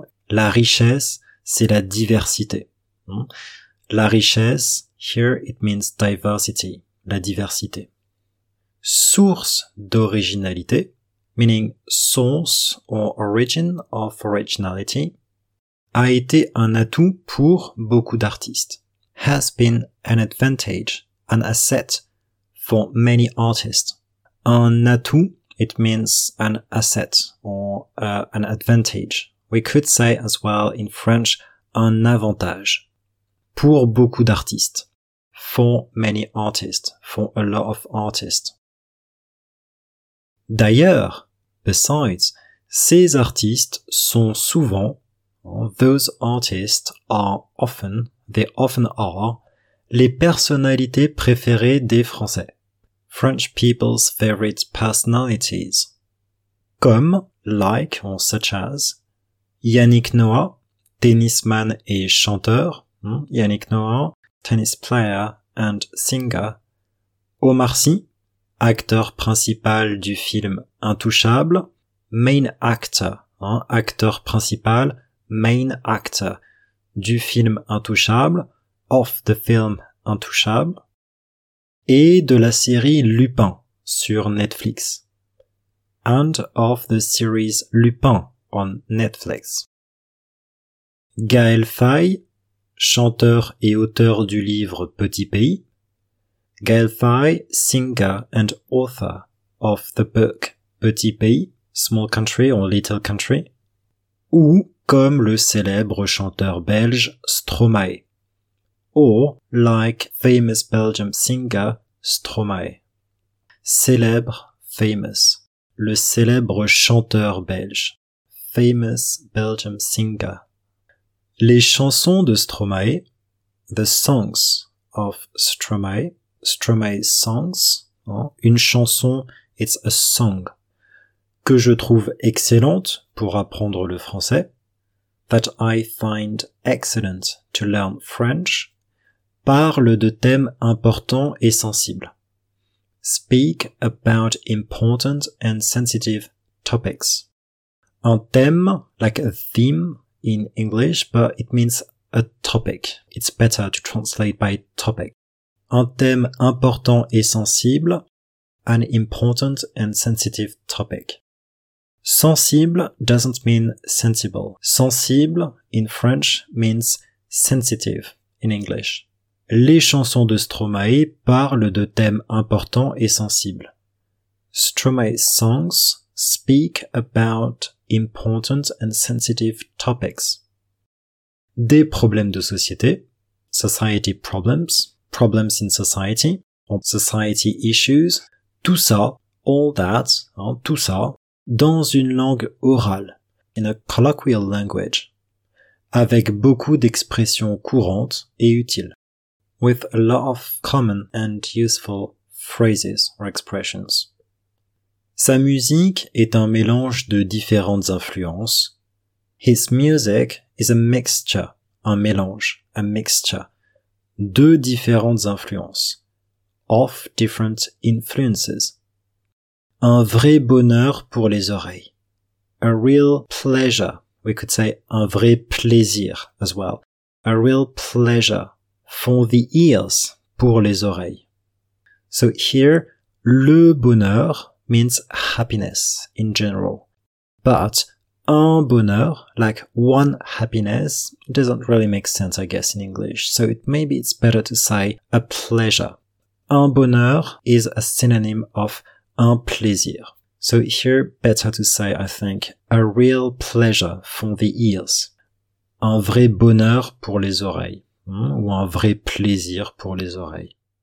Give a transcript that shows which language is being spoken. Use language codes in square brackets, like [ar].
[fr] La richesse, c'est la diversité. La richesse, [en] here it means diversity, [fr] la diversité. Source d'originalité, [en] meaning source or origin of originality, [fr] a été un atout pour beaucoup d'artistes. [en] Has been an advantage, an asset for many artists. [fr] Un atout, [en] it means an asset or an advantage. We could say as well in French, [fr] un avantage. Pour beaucoup d'artistes. [en] For many artists. For a lot of artists. D'ailleurs, besides, [fr] ces artistes sont souvent, [en] those artists are often, they often are, [fr] les personnalités préférées des Français. [en] French people's favorite personalities. [fr] Comme, [en] like, or such as, [fr] Yannick Noah, tennisman et chanteur, Yannick Noah, [en] tennis player and singer, [fr] Omar Sy, acteur principal du film Intouchable, [en] main actor, [fr] hein, acteur principal, main actor, du film Intouchable, [en] of the film [fr] Intouchable, et de la série Lupin sur Netflix. [en] And of the series Lupin on Netflix. [fr] Gaël Faye, chanteur et auteur du livre Petit Pays. [en] Gaël Faye, singer and author of the book Petit Pays, Small Country or Little Country. [fr] Ou comme le célèbre chanteur belge Stromae. [en] Or like famous Belgian singer Stromae. [fr] Célèbre, famous. Le célèbre chanteur belge. [en] Famous Belgian singer. [fr] Les chansons de Stromae, [en] the songs of Stromae, Stromae's songs, [fr] hein, une chanson, [en] it's a song, [fr] que je trouve excellente pour apprendre le français, [en] that I find excellent to learn French, [fr] parle de thèmes importants et sensibles. [en] Speak about important and sensitive topics. [fr] Un thème, [en] like a theme, in English, but it means a topic. It's better to translate by topic. [fr] Un thème important et sensible, [en] an important and sensitive topic. Sensible doesn't mean sensible. Sensible in French means sensitive in English. [fr] Les chansons de Stromae parlent de thèmes importants et sensibles. [en] Stromae's songs speak about important and sensitive topics. [fr] Des problèmes de société, [en] society problems, problems in society, or society issues, [fr] tout ça, [en] all that, [fr] hein, tout ça, dans une langue orale, [en] in a colloquial language, [fr] avec beaucoup d'expressions courantes et utiles, [en] with a lot of common and useful phrases or expressions. [fr] Sa musique est un mélange de différentes influences. [en] His music is a mixture, un mélange, a mixture, [fr] de différentes influences, [en] of different influences. [fr] Un vrai bonheur pour les oreilles. [en] A real pleasure, we could say [fr] un vrai plaisir [en] as well. A real pleasure for the ears, [fr] pour les oreilles. [en] So here, le bonheur means happiness in general. But un bonheur, like one happiness, doesn't really make sense, I guess, in English. So maybe it's better to say a pleasure. [fr] Un bonheur is a synonym of un plaisir. [en] So here, better to say, I think, a real pleasure for the ears. [fr] Un vrai bonheur pour les oreilles. Ou un vrai plaisir pour les oreilles.